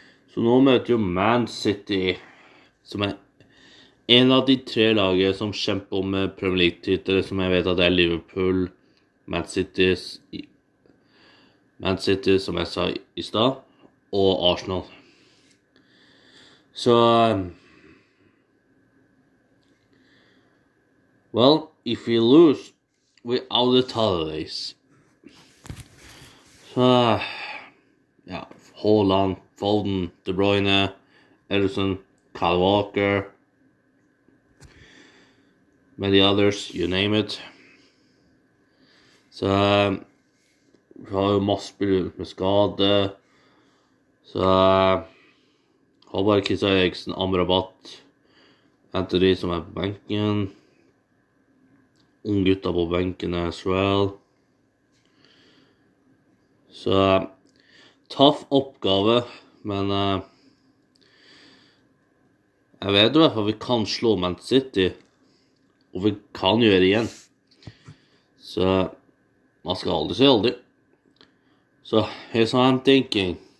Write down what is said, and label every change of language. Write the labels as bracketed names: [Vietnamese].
[Norwegian] Så nå møter jo Man City, som en av de tre lagene som kjemper om Premier League-titlene, som jeg vet at det Liverpool, Man City, som jeg sa i stad, og Arsenal. [English] Så, well, if we lose, we're out of the holidays. Så, ja, Haaland, Foden, De Bruyne, Ederson, Kyle Walker, many others, you name it. [Norwegian] Så, vi har jo masse spillere med skade. Så, har bare Christian Eriksen, Amrabat, Anthony som på benken. Ung gutta på benken as well. Så, tough oppgave, men jeg vet i hvert fall vi kan slå Man City. Og vi kan gjøre det igjen. Så, man skal aldri si aldri. [English] Så, here's what I'm thinking.